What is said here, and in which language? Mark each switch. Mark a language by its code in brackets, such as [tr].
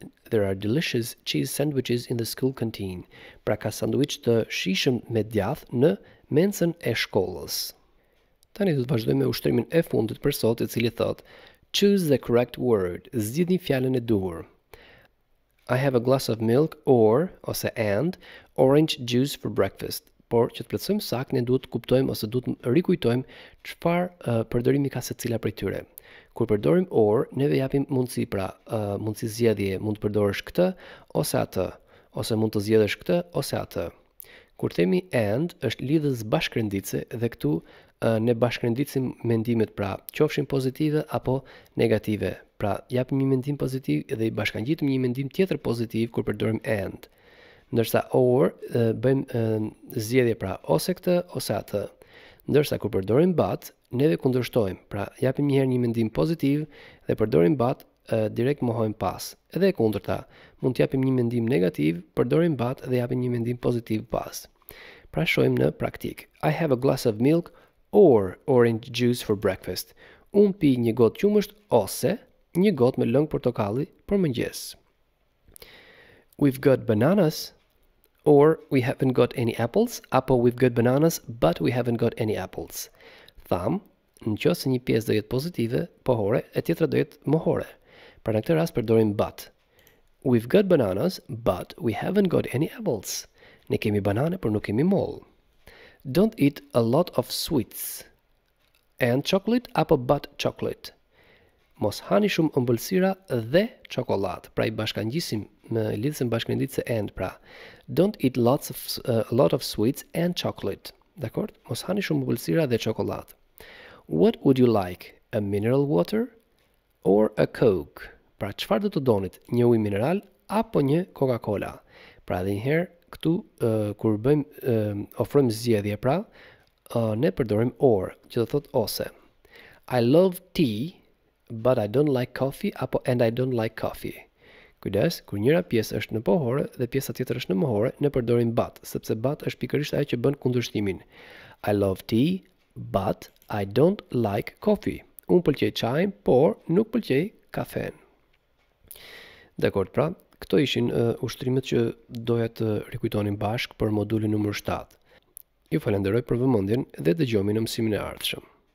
[en] There are delicious cheese sandwiches in the school canteen. [sq] Pra ka sandwich të shishëm me djath në mensën e shkollës. Tani do të vazhdojmë me ushtrimin e fundit për sot, i cili thot: [en] Choose the correct word. [sq] Zgjidhni fjalën e duhur. [en] I have a glass of milk or ose and orange juice for breakfast. [sq] Por që të plotësojmë saktë, ne duhet të kuptojmë ose duhet të rikujtojmë çfarë përdorimi ka secila prej tyre. Kur përdorim or, neve japim mundësi, pra mundësi zgjedhje, mund të përdorësh këtë ose atë, ose mund të zgjedhësh këtë ose atë. Kur themi and, është lidhës bashkëprindice dhe këtu ne bashkëprindicim mendimet, pra qofshin pozitive apo negative. Pra japim një mendim pozitiv dhe i bashkangjitëm një mendim tjetër pozitiv kur përdorim and. Ndërsa or, bëjmë zgjedhje, pra ose këtë ose atë. Ndërsa kur përdorim but, neve kundërshtojmë, pra japim një herë një mendim pozitiv dhe përdorim but, direkt mohojmë pas. Edhe e kundërta, mund të japim një mendim negativ, përdorim but dhe japim një mendim pozitiv pas. Pra shohim në praktik. [en] I have a glass of milk or orange juice for breakfast. [sq] Unë pi një gotë qumësht ose një gotë me lëng portokalli për mëngjes. [en] We've got bananas or we haven't got any apples, apo we've got bananas but we haven't got any apples. [sq] Tham, në qoftë se një pjesë do jetë pozitive, pohore, e tjetra do jetë mohore. Pra në këtë rast përdorim but. [en] We've got bananas, but we haven't got any apples. [sq] Ne kemi banane, por nuk kemi mollë. [en] Don't eat a lot of sweets. And chocolate, apo but chocolate. [sq] Mos hani shumë ëmbëlsira dhe çokoladë. Pra i bashkangjisim me lidhjen bashkëprindice and, pra. [en] Don't eat a lot of sweets and chocolate. [sq] Dakor? Mos hani shumë ëmbëlsira dhe çokoladë. [en] What would you like? A mineral water or a Coke? [sq] Pra çfarë do të donit? Një ujë mineral apo një Coca-Cola? Pra edhe një herë këtu kur bëjmë ofrojmë zgjedhje, pra, ne përdorim or, që do thot ose. [en] I love tea, but I don't like coffee, apo and I don't like coffee. [sq] Kujdes, kur njëra pjesë është në pohore dhe pjesa tjetër është në mohore, ne përdorim but, sepse but është pikërisht ajo që bën kundërshtimin. [en] I love tea, but I don't like coffee. [sq] Unë pëlqej çajin, por nuk pëlqej kafen. Dekord, pra, këto ishin ushtrimet që doja të rikujtonim bashkë për modulin numër 7. Ju falenderoj për vëmendjen dhe dëgjojmë në mësimin e ardhshëm.